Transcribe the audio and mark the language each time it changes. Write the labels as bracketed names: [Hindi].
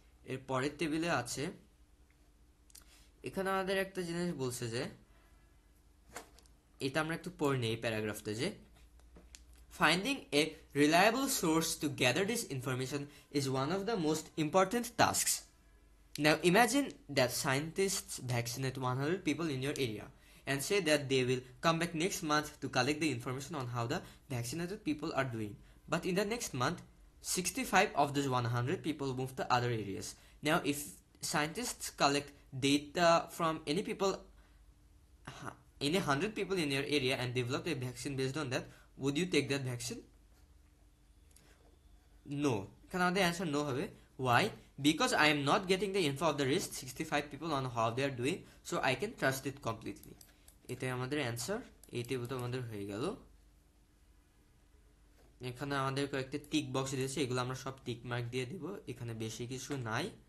[Bangla] এর পরের টেবিলে আছে, এখানে আমাদের একটা জিনিস বলছে যে এটা আমরা একটু পড়ে নিই প্যারাগ্রাফটা, যে [English] Finding a reliable source to gather this information is one of the most important task. Now imagine that scientists vaccinate 100 people in your area and say that they will come back next month to collect the information on how the vaccinated people are doing. But in the next month, 65 of those 100 people move to other areas. Now if scientists collect data from any people, any 100 people in your area and develop a vaccine based on that, would you take that vaccine? No, [Bangla] এখানে আমাদের answer no হবে। Y? [English] Because I am not getting the info of the rest 65 people on how they are doing, so I can trust it completely. [Bangla] এটাই আমাদের answer, এই table তো আমাদের হয়ে গেল। এখানে আমাদের কয়েকটি টিক বক্স দিয়েছে, এগুলো আমরা সব টিক মার্ক দিয়ে দিব, এখানে বেশি কিছু নাই।